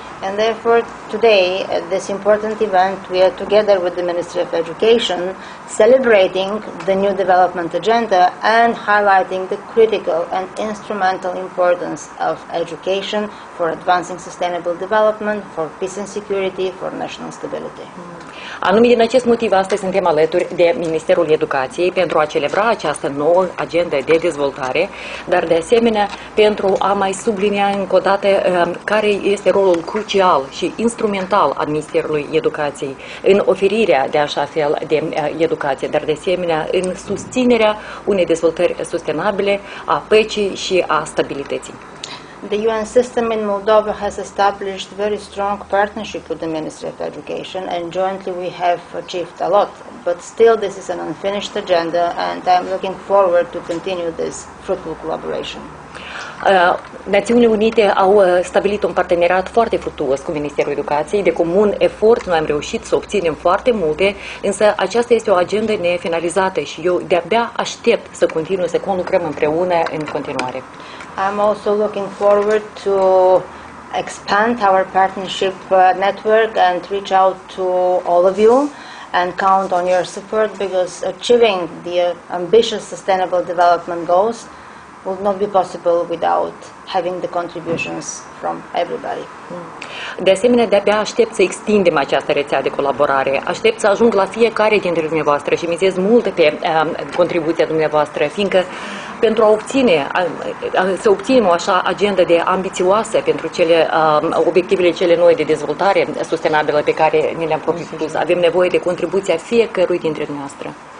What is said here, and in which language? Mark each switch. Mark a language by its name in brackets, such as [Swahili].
[English] And therefore today at this important event we are together with the Ministry of Education celebrating the new development agenda and highlighting the critical and instrumental importance of education for advancing sustainable development, for peace and security, for national stability. [Romanian] Anume din acest motiv astăzi suntem alături de Ministerul Educației pentru a celebra această nouă agendă de dezvoltare, dar de asemenea pentru a mai sublinia încă o dată care este rolul crucial și instrumental al Ministerului Educației în oferirea de așa fel de educație, dar de asemenea în susținerea unei dezvoltări sustenabile, a păcii și a stabilității. [English] The UN system in Moldova has established very strong partnership with the Ministry of Education and jointly we have achieved a lot, but still this is an unfinished agenda and I'm looking forward to continue this fruitful collaboration. [Romanian] Națiunile Unite au stabilit un parteneriat foarte fructuos cu Ministerul Educației. De comun efort noi am reușit să obținem foarte multe, însă aceasta este o agendă nefinalizată și eu de-abia aștept să continuăm să conlucrăm împreună în continuare. [English] I'm also looking forward to expand our partnership network and reach out to all of you and count on your support because achieving the ambitious sustainable development goals would not be possible without having the contributions from everybody. [Romanian] De asemenea, de-abia aștept să extindem această rețea de colaborare. Aștept să ajung la fiecare dintre dumneavoastră și mizez mult pe contribuția dumneavoastră, fiindcă pentru a obține, să obținem o așa agendă de ambițioasă pentru cele obiectivele cele noi de dezvoltare sustenabilă pe care ni le-am propus, avem nevoie de contribuția fiecărui dintre dumneavoastră.